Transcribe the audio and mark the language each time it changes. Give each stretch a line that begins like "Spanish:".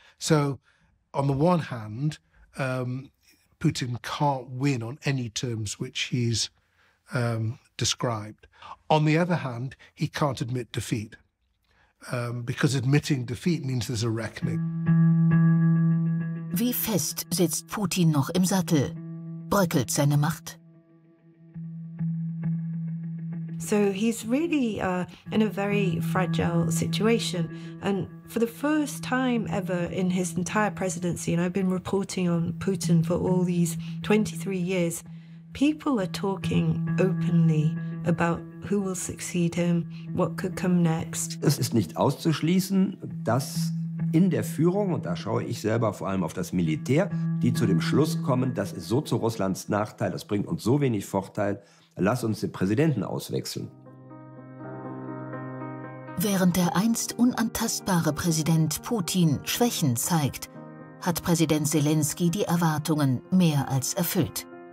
English: So on the one hand, Putin can't win on any terms which he's described. On the other hand, he can't admit defeat, because admitting defeat means there's a reckoning.
German: Wie fest sitzt Putin noch im Sattel? Bröckelt seine Macht?
English: So he's really in a very fragile situation. And for the first time ever in his entire presidency, and I've been reporting on Putin for all these 23 years, people are talking openly about who will succeed him, what could come next.
German: Es ist nicht auszuschließen, dass in der Führung, und da schaue ich selber vor allem auf das Militär, die zu dem Schluss kommen, das ist so zu Russlands Nachteil, das bringt uns so wenig Vorteil, lass uns den Präsidenten auswechseln. Während der einst unantastbare Präsident Putin Schwächen zeigt, hat Präsident Selenskyj die Erwartungen mehr als erfüllt.